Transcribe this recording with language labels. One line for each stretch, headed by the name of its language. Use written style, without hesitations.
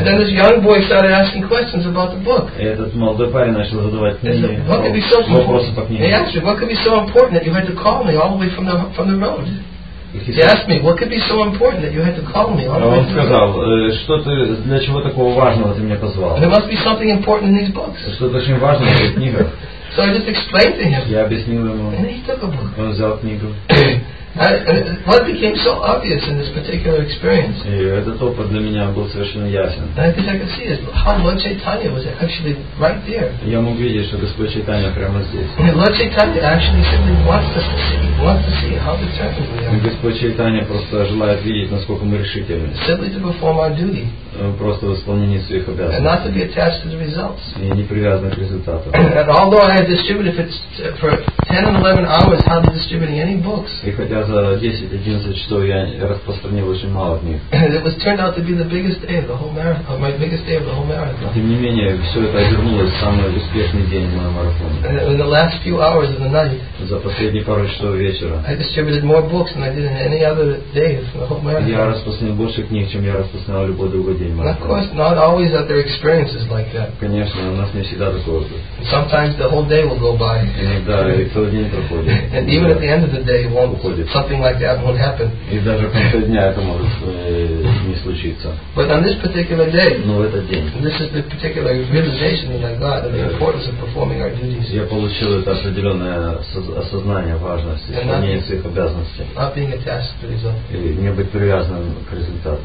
English: And then this young boy started asking questions about the book.
Russian: И этот молодой парень начал задавать мне вопросы по книге.
English: He asked me, what could be so important that you had to call me all the way from the road? He asked me, what could be so important that you had to call me all the way?
Russian: Он сказал, что ты для чего такого важного ты меня позвал?
English: There must be something important in these books.
Russian: Что-то очень важное в этих книгах.
English: So I just explained to him.
Russian: Я объяснил ему.
English: And he took a book.
Russian: Он взял книгу.
English: What became so obvious in this particular experience?
Russian: И этот опыт для меня был совершенно ясен.
English: I think I could see it. How Lord Chaitanya was actually right there.
Russian: Я мог видеть, что Господь Чайтанья прямо здесь.
English: And Lord Chaitanya actually simply wants to see how determined we are.
Russian: Господь Чайтанья просто желает видеть, насколько мы решительны.
English: Simply to perform our duty.
Russian: Просто в исполнении своих обязанностей.
English: And not to be attached to the results.
Russian: И не привязанных к результатам.
English: And although I had distributed for 10 and 11 hours, hardly distributing any books.
Russian: Я за 10-11 часов я распространил очень мало книг.
English: It was turned out to be the biggest day of the whole marathon, my biggest day of the whole marathon.
Russian: Тем не менее, все это обернулось самый успешный день в моем марафоне.
English: In the last few hours of the night.
Russian: За последние пару часов вечера.
English: I distributed more books than I did in any other day of the whole marathon.
Russian: Я распространил больше книг, чем я распространял любой другой день марафона.
English: Of course, not always are there experiences like that.
Russian: Конечно, у нас не всегда такое опыт.
English: Sometimes the whole day will go by.
Russian: Иногда и целый день проходит.
English: And even at the end of the day, it won't. Something like that won't happen.
Russian: И даже в конце дня это может не случиться.
English: But on this particular day,
Russian: но в этот день,
English: this is the particular realization that I got of the importance of performing our duties.
Russian: Я получил это определенное осознание важности исполнения своих обязанностей.
English: Not being attached to result.
Russian: И не быть привязанным к результату.